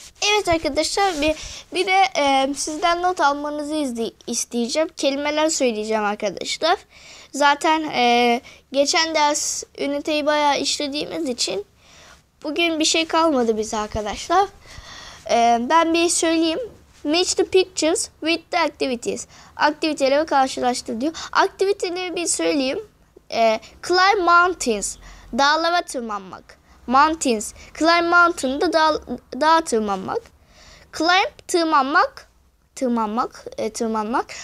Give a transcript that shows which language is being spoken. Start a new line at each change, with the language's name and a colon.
Turkish: Evet arkadaşlar bir de sizden not almanızı isteyeceğim. Kelimeler söyleyeceğim arkadaşlar. Zaten geçen ders üniteyi bayağı işlediğimiz için bugün bir şey kalmadı bize arkadaşlar. Ben bir söyleyeyim.
English: Match the pictures with the activities.
Turkish: Aktiviteleri karşılaştır diyor. Aktiviteleri bir söyleyeyim.
English: Climb mountains.
Turkish: Dağlara tırmanmak.
English: Mountains. Climb mountain'da
Turkish: dağa tırmanmak. Climb tırmanmak. Tırmanmak.